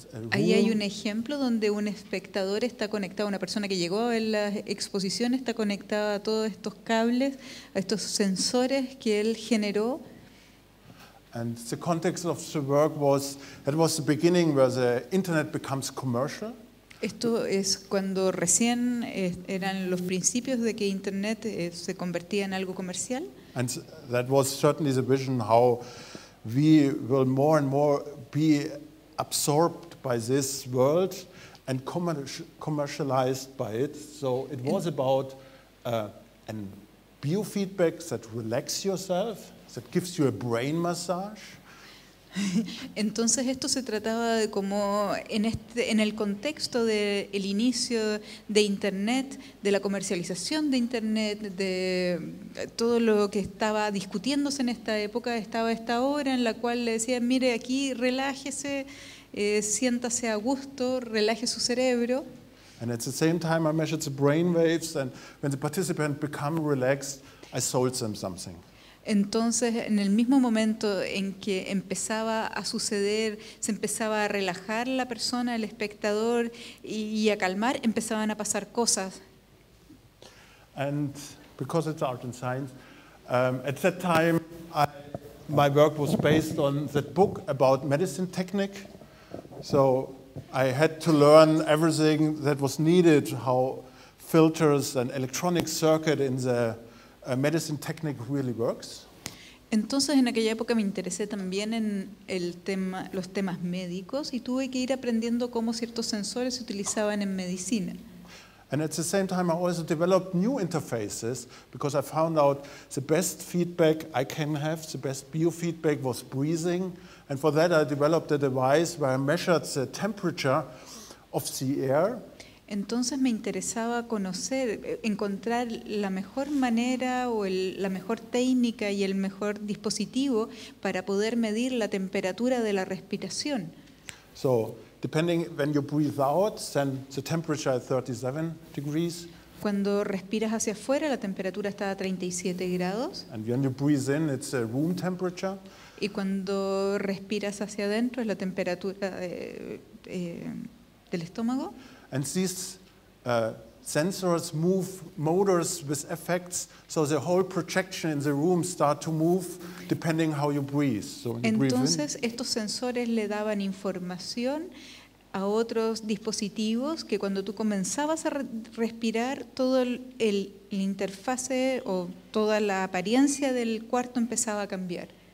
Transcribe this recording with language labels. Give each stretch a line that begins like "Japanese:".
Spanish: Ahí hay un ejemplo donde un espectador está conectado, una persona que llegó a la exposición está conectada a todos estos cables, a estos sensores que él generó.
English: And the context of the work was, that was the beginning where the internet becomes commercial.
Spanish: Esto es cuando recién eran los principios de que Internet se convertía en algo comercial.
English: And that was certainly the vision how we will more and more be absorbed by this world and commercialized by it. So it was about a biofeedback that relaxes yourself, that gives you a brain massage.
Spanish: Entonces esto se trataba de cómo en el contexto del inicio de Internet, de la comercialización de Internet, de todo lo que estaba discutiéndose en esta época, estaba esta obra en la cual le decían, mire aquí, relájese, siéntase a gusto, relaje su cerebro.
English: And at the same time I measured the brain waves and when the participant become relaxed, I sold them something.
Spanish: Entonces, en el mismo momento en que empezaba a suceder, se empezaba a relajar la persona, el espectador, y a calmar, empezaban a pasar cosas.
English: And because it's art and science, at that time, my work was based on that book about medicine technique. So I had to learn everything that was needed, how filters and electronic circuit in the medicine technique really works.
Spanish: Entonces, en aquella época me interesé también en el tema, los temas médicos, y tuve que ir aprendiendo cómo ciertos sensores se utilizaban en medicina.
English: And at the same time, I also developed new interfaces because I found out the best feedback I can have, the best biofeedback was breathing, and for that I developed a device where I measured the temperature of the air.
Spanish: Entonces me interesaba conocer, encontrar la mejor manera o la mejor técnica y el mejor dispositivo para poder medir la temperatura de la respiración.
English: So, depending when you breathe out, then the temperature is 37 degrees.
Spanish: Cuando respiras hacia afuera, la temperatura está a 37 grados.
English: And when you breathe in, it's a room temperature.
Spanish: Y cuando respiras hacia adentro, es la temperatura del estómago.
English: And these sensors move motors with effects, so the whole projection in the room start to move depending how you breathe. So when
Spanish: entonces,
English: you breathe in,
Spanish: estos sensores le daban información a otros dispositivos que cuando tú comenzabas a respirar, todo el interfase o toda la apariencia del cuarto empezaba a cambiar.